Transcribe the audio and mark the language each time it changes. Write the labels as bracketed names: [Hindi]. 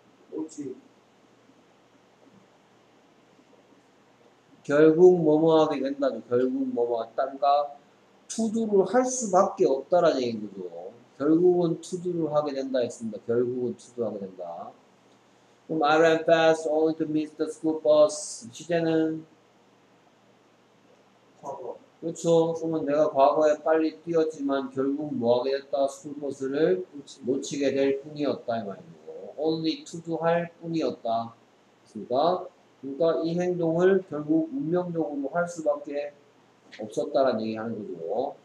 [Korean] 옳지. 결국 뭐뭐하게 된다죠. 결국 뭐뭐하다니까 투두를 할 수밖에 없다라는 얘기인거죠. 결국은 투두를 하게 된다 했습니다. 결국은 투두하게 된다. 그럼 [English] I ran fast only to miss the school bus. [Korean] 시제는? 과거. 그렇죠. 그러면 내가 과거에 빨리 뛰었지만 결국 뭐하게 됐다? 스쿨버스를 놓치게 될 뿐이었다 이 말이고 only 투두 할 뿐이었다. 그러니까 그러니까 이 행동을 결국 운명적으로 할 수밖에 없었다라는 얘기하는 거죠.